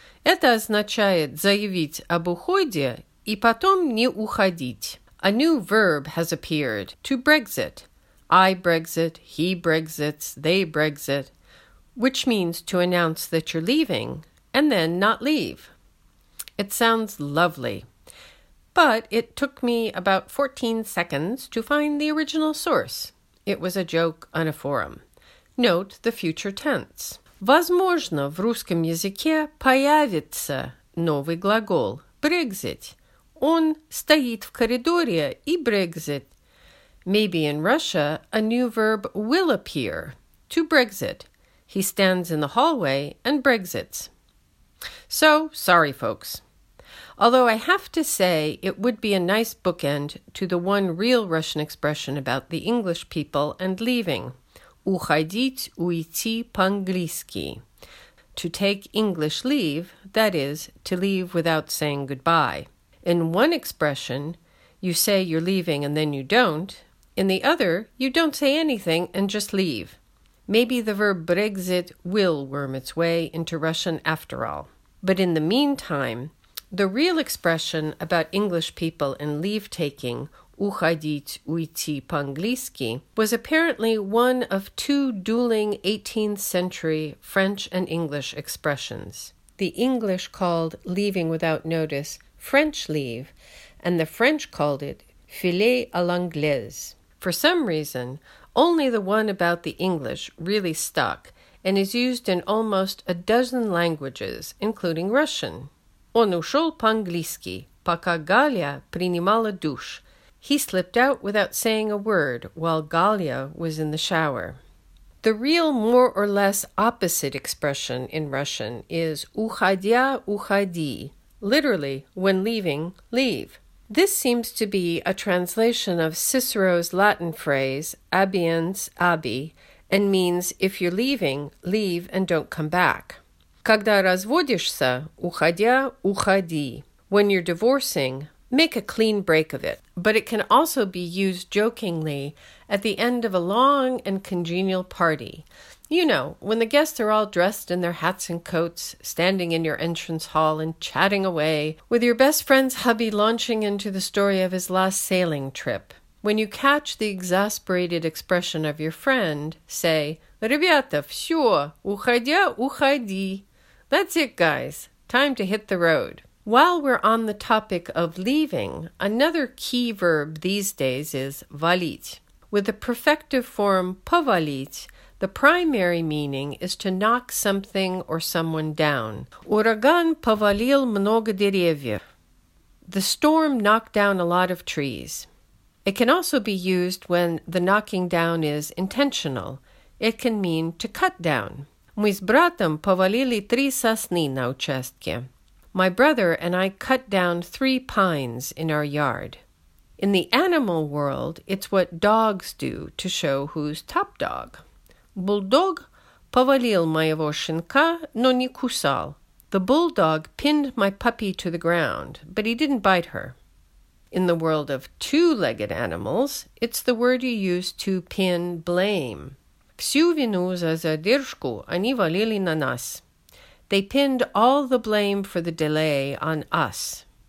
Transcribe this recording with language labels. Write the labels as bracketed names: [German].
[Russian] Это означает заявить об уходе и потом не уходить. [English] A new verb has appeared, to Brexit. I Brexit, he Brexits, they Brexit, which means to announce that you're leaving and then not leave. It sounds lovely, but it took me about 14 seconds to find the original source. It was a joke on a forum. Note the future tense. [Russian] Возможно, в русском языке появится новый глагол Brexit. Он стоит в коридоре и Brexit. [English] Maybe in Russia, a new verb will appear, to Brexit. He stands in the hallway and Brexits. So, sorry, folks. Although I have to say it would be a nice bookend to the one real Russian expression about the English people and leaving. [Russian] Уходить, уйти по-английски. [English] To take English leave, that is, to leave without saying goodbye. In one expression, you say you're leaving and then you don't. In the other, you don't say anything and just leave. Maybe the verb Brexit will worm its way into Russian after all. But in the meantime, the real expression about English people and leave-taking, [Russian] уходить, уйти по-английски, [English] was apparently one of two dueling 18th century French and English expressions. The English called leaving without notice French leave, and the French called it [French] filer à l'anglaise. [English] For some reason, only the one about the English really stuck and is used in almost a dozen languages, including Russian. [Russian] Он ушел по-английски, пока Галя принимала душ. [English] He slipped out without saying a word while Галя was in the shower. The real more or less opposite expression in Russian is [Russian] уходя, уходи. [English] Literally, when leaving, leave. This seems to be a translation of Cicero's Latin phrase, [Latin] abiens abi, [English] and means if you're leaving, leave and don't come back. [Russian] Когда разводишься, уходя, уходи. [English] When you're divorcing, make a clean break of it. But it can also be used jokingly at the end of a long and congenial party. You know, when the guests are all dressed in their hats and coats, standing in your entrance hall and chatting away, with your best friend's hubby launching into the story of his last sailing trip. When you catch the exasperated expression of your friend, say, [Russian] Ребята, все, уходя, уходи. [English] That's it, guys. Time to hit the road. While we're on the topic of leaving, another key verb these days is валить. With the perfective form повалить, the primary meaning is to knock something or someone down. [Russian] Ураган повалил много деревьев. [English] The storm knocked down a lot of trees. It can also be used when the knocking down is intentional. It can mean to cut down. [Russian] Мы с братом повалили три сосны на участке. [English] My brother and I cut down three pines in our yard. In the animal world, it's what dogs do to show who's top dog. [Russian] Bulldog повалил моего щенка, но не кусал. [English] The bulldog pinned my puppy to the ground, but he didn't bite her. In the world of two-legged animals, it's the word you use to pin blame. [Russian] Всю вину за задержку они валили на нас. [English] They pinned all the blame for the delay on us.